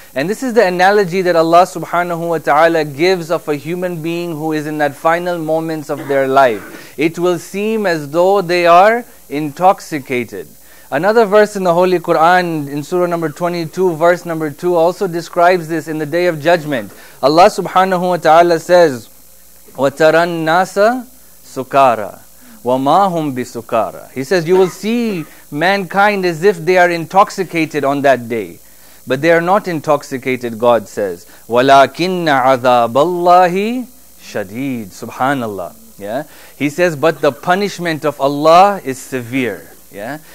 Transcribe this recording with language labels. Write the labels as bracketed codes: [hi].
[en] And this is the analogy that Allah subhanahu wa ta'ala gives of a human being who is in that final moments of their life. It will seem as though they are intoxicated. Another verse in the Holy Quran, in Surah number 22, verse number 2, also describes this in the Day of Judgment. Allah subhanahu wa ta'ala says, [ar] وَتَرَى النَّاسَ سُكَارَى وَمَا هُمْ بِسُكَارَى. [en] He says, you will see mankind as if they are intoxicated on that day. But they are not intoxicated, God says. [ar] وَلَكِنَّ عَذَابَ اللَّهِ شَدِيدٌ. Subhanallah. [en] Yeah? He says, but the punishment of Allah is severe. Yeah?